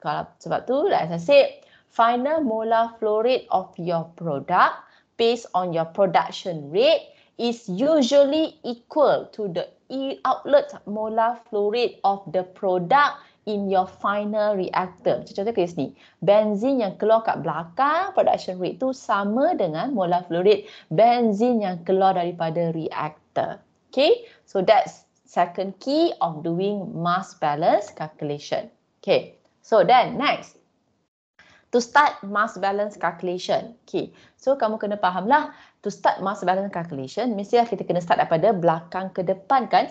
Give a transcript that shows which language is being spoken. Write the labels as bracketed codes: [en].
[ms] Kalau sebab tu, [en] like I said, final molar flow rate of your product based on your production rate is usually equal to the outlet molar flow rate of the product in your final reactor. [ms] Contohnya kes ni, benzin yang keluar kat belakang production rate tu sama dengan molar flow rate benzin yang keluar daripada reactor. [en] Okay, so that's second key of doing mass balance calculation. Okay, so then next, to start mass balance calculation. [ms] Okay, so kamu kena fahamlah, [en] to start mass balance calculation, [ms] mesti lah kita kena start daripada belakang ke depan kan.